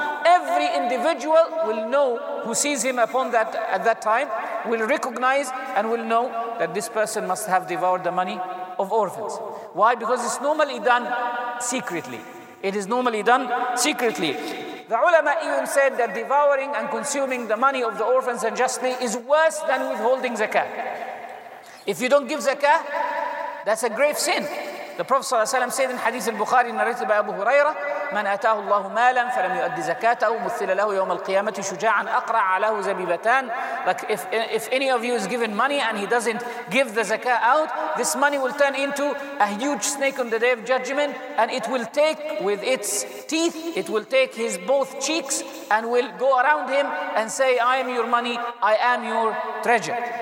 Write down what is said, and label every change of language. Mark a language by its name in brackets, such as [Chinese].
[English] Every individual will know, who sees him upon that at that time, will recognize and will know that this person must have devoured the money of orphans. Why? Because it's normally done secretly. It is normally done secretly. The ulama even said that devouring and consuming the money of the orphans unjustly is worse than withholding zakah. If you don't give zakah, that's a grave sin. The Prophet [Arabic] صلى الله عليه وسلم [English] said in Hadith al-Bukhari narrated by Abu Huraira, [Arabic] من أتاه الله مالا فلم يؤدي زكاته مثل له يوم القيامة شجاعا أقرع عليه زبيبتان. [English] Like if any of you is given money and he doesn't give the zakah out, this money will turn into a huge snake on the day of judgment, and it will take with its teeth, it will take his both cheeks and will go around him and say, I am your money, I am your treasure.